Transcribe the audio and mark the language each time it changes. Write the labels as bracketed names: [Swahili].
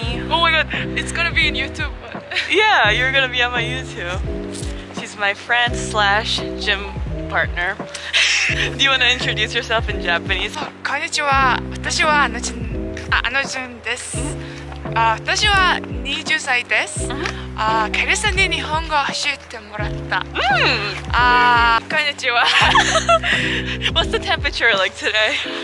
[English] Oh my god, it's gonna be in YouTube. Yeah, you're gonna be on my YouTube. She's my friend slash gym partner. Do you want to introduce yourself in Japanese? [Japanese] Konnichiwa, 私はあのじゅんです。私は20歳です。ケルさんに日本語を教えてもらった。 Konnichiwa. [English] What's the temperature like today?